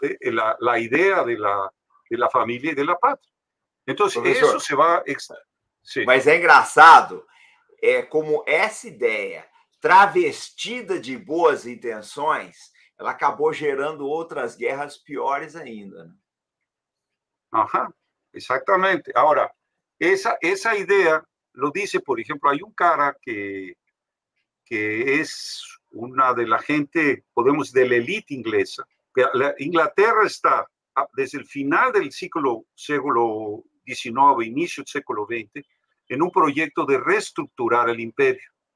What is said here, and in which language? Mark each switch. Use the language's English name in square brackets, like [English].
[Spanish] La idea de la familia y de la patria. Entonces, profesor, eso se va a sí. [Portuguese] Mas é engraçado, é como essa ideia travestida de boas intenções, ela acabou gerando outras guerras piores ainda. [Spanish] Ajá, exactamente. Ahora, esa idea lo dice, por ejemplo, hay un cara que es una de la gente, podemos decir, de la élite inglesa. Inglaterra está desde el final del siglo XIX, inicio del siglo XX, en un proyecto de reestructurar el imperio.